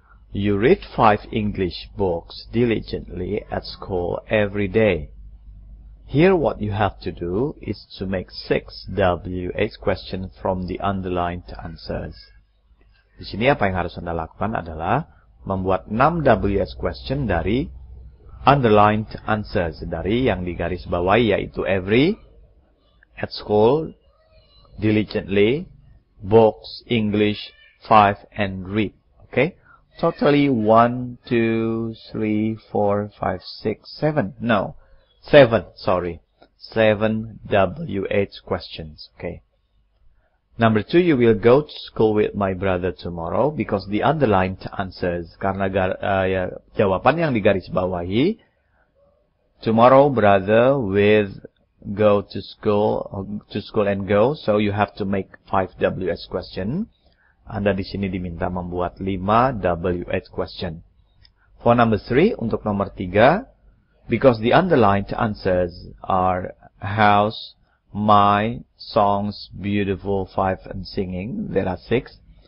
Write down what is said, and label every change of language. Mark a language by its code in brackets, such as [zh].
[en] You read 5 English books diligently at school every day. Here what you have to do is to make 6 WH questions from the underlined answers. [id] Di sini apa yang harus Anda lakukan adalah membuat 6 WH question dari underlined answers, dari yang digaris bawahi, yaitu every, at school, diligently, books, English, 5, and read. [en] Okay? Totally 1, 2, 3, 4, 5, 6, 7. No. 7, sorry. 7 WH questions. Okay. Number 2, you will go to school with my brother tomorrow because the underlined answers. [id] Karena jawaban yang digarisbawahi. [en] Tomorrow, brother, with go to school, so you have to make 5 WH questions. [id] Anda di sini diminta membuat 5 WH question. [en] For number 3, [id] untuk nomor 3, [en] because the underlined answers are house, my, songs, beautiful, 5, and singing, there are 6.